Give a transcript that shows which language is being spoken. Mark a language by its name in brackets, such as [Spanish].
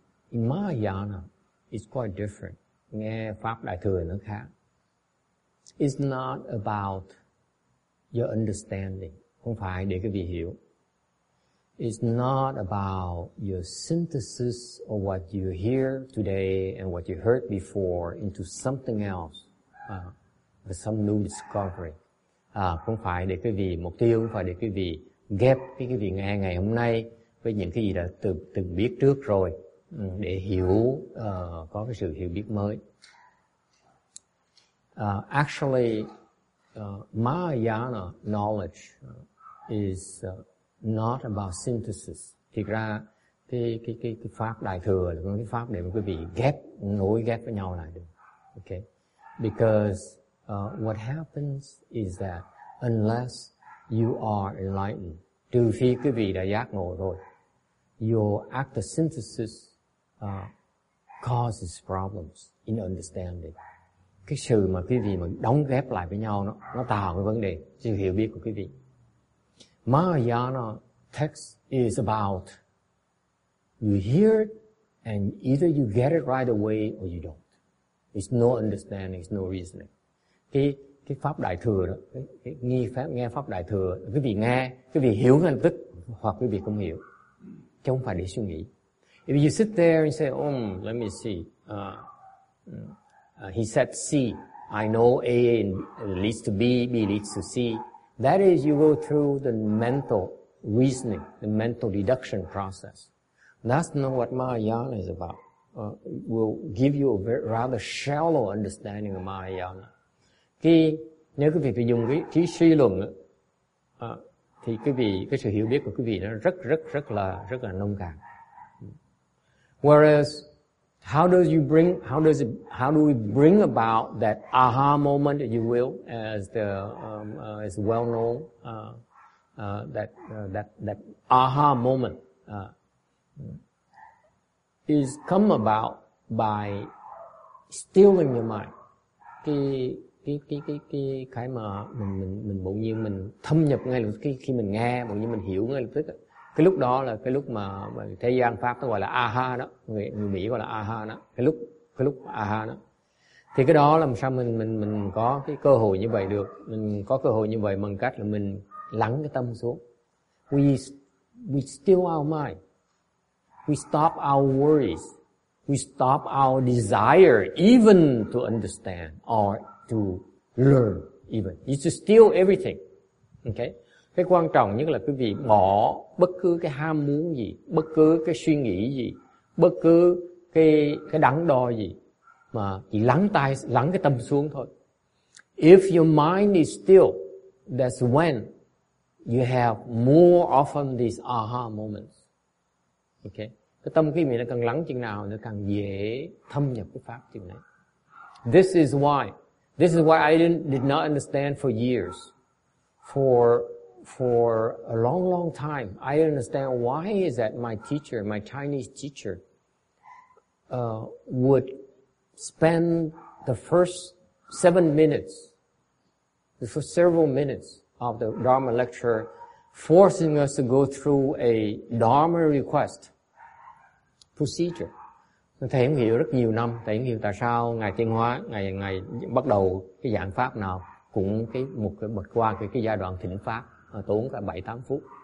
[English] In Mahayana, it's quite different. [Vietnamese] Nghe pháp đại thừa nó khác. [English] It's not about your understanding. [Vietnamese] Không phải để quý vị hiểu. [English] It's not about your synthesis of what you hear today and what you heard before into something else, some new discovery. [Vietnamese] Không phải để quý vị mục tiêu, không phải để quý vị ghép cái quý vị nghe ngày hôm nay với những cái gì đã từng biết trước rồi để hiểu, có cái sự hiểu biết mới. [English] Actually, Mahayana knowledge is not about synthesis. [Vietnamese] Thực ra cái pháp đại thừa là cái pháp để mà quý vị ghép, nối ghép với nhau lại được. [English] Okay. Because what happens is that unless you are enlightened, [Vietnamese] trừ phi quý vị đã giác ngộ rồi, [English] your act of synthesis causes problems in understanding. [Vietnamese] Cái sự mà quý vị mà đóng ghép lại với nhau nó tạo cái vấn đề sự hiểu biết của quý vị. [English] Mahayana text is about you hear it and either you get it right away or you don't. It's no understanding, it's no reasoning. [Vietnamese] Cái pháp đại thừa đó, cái nghi pháp, nghe pháp đại thừa, quý vị nghe, quý vị hiểu ngay lập tức hoặc quý vị không hiểu, chứ không phải để suy nghĩ. [English] If you sit there and say, oh, let me see, he said C, I know A leads to B, B leads to C. That is, you go through the mental reasoning, the mental deduction process. That's not what Mahayana is about. Will give you a very, rather shallow understanding of Mahayana. [Vietnamese] Khi nếu quý vị phải dùng cái trí suy luận thì quý vị cái sự hiểu biết của quý vị nó rất là nông cạn. [English] Whereas how do we bring about that aha moment, if you will, as the is well known, that aha moment is come about by stealing your mind. [Vietnamese] Cái mà mình bỗng nhiên mình thâm nhập ngay lúc khi mình nghe, bỗng nhiên mình hiểu ngay lập tức, cái lúc đó là cái lúc mà thế gian pháp nó gọi là aha đó, người Mỹ gọi là aha đó, cái lúc aha đó, thì cái đó làm sao mình có cái cơ hội như vậy được. Mình có cơ hội như vậy bằng cách là mình lắng cái tâm xuống. [English] We still our mind, we stop our worries, we stop our desire even to understand or to learn even. It's to steal everything. Okay? [Vietnamese] Cái quan trọng nhất là quý vị bỏ bất cứ cái ham muốn gì, bất cứ cái suy nghĩ gì, bất cứ cái đắn đo gì, mà chỉ lắng cái tâm xuống thôi. [English] If your mind is still, that's when you have more often these aha moments. Okay? [Vietnamese] Cái tâm quý vị nó càng lắng chừng nào, nó càng dễ thâm nhập cái pháp chừng này. [English] This is why I did not understand for years. For a long, long time, I didn't understand why is that my teacher, my Chinese teacher, would spend the first 7 minutes, the first several minutes of the Dharma lecture, forcing us to go through a Dharma request procedure. [Vietnamese] Thầy không hiểu rất nhiều năm, thầy không hiểu tại sao ngày tiên hóa, ngày bắt đầu cái giảng pháp nào cũng một cái giai đoạn thỉnh pháp tốn cả 7-8 phút.